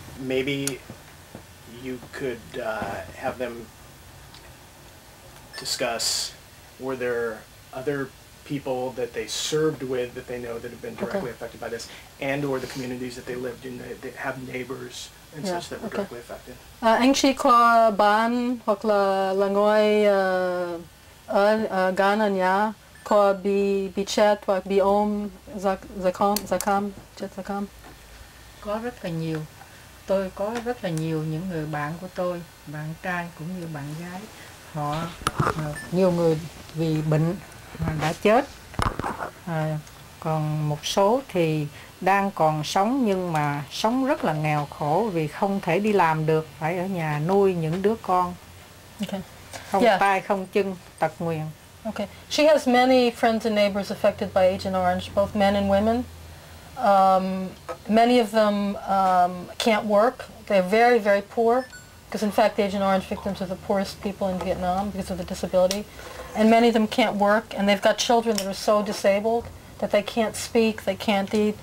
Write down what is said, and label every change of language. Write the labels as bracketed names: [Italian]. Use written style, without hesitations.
[English] Maybe you could have them discuss, were there other people that they served with that they know that have been directly affected by this, and or the communities that they lived in, that have neighbors and such that were directly affected? [Vietnamese] Anh chị có bạn hoặc là người ở gần nhà có bị chết hoặc bị ốm zakam chết zakam? Có rất là nhiều. Tôi có rất là nhiều những người bạn của tôi, bạn trai cũng như bạn gái. Họ nhiều người vì bệnh đã chết. Còn một số thì đang còn sống nhưng mà sống rất là nghèo khổ vì không thể đi làm được, phải ở nhà nuôi những đứa con. Tai không chân, tật nguyền. [English] Okay. She has many friends and neighbors affected by Agent Orange, both men and women. Many of them can't work. They're very, very poor. Because in fact, Agent Orange victims are the poorest people in Vietnam because of the disability. And many of them can't work, and they've got children that are so disabled that they can't speak, they can't eat.